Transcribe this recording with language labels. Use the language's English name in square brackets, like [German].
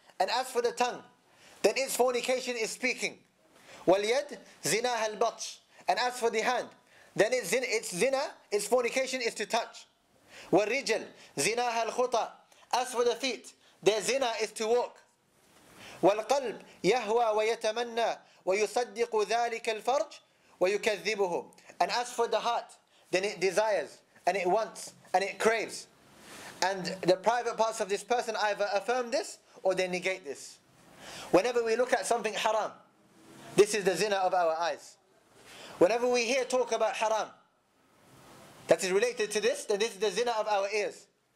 [English] And as for the tongue, then its fornication is speaking. [Arabic] واليد زناها البطش. [English] And as for the hand, then its zina, its fornication is to touch. [Arabic] والرجل زناها الخطى. [English] As for the feet, their zina is to walk. [Arabic] والقلب يهوى ويتمنى ويصدق ذلك الفرج ويكذبه. [English] And as for the heart, then it desires and it wants and it craves. And the private parts of this person either affirm this or they negate this. Whenever we look at something haram, this is the zina of our eyes. Whenever we hear talk about haram that is related to this, then this is the zina of our ears.